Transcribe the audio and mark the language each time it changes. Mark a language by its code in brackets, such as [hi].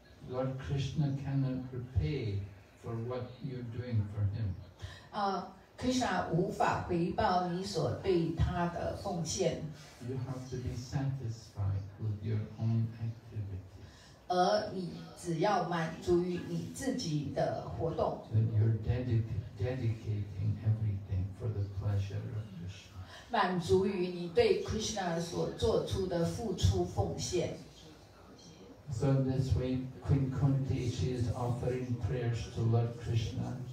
[en] Lord Krishna cannot repay for what you're doing for him. [zh] Krishna 无法回报你所对他的奉献。 [en] You have to be satisfied with your own activity. [zh] 而你只要满足于你自己的活动。 [en] Then you're dedicating everything for the pleasure of Krishna. [zh] 满足于你对 Krishna 所做出的付出奉献。 [en] So in this way, Queen Kunti is offering prayers to Lord Krishna.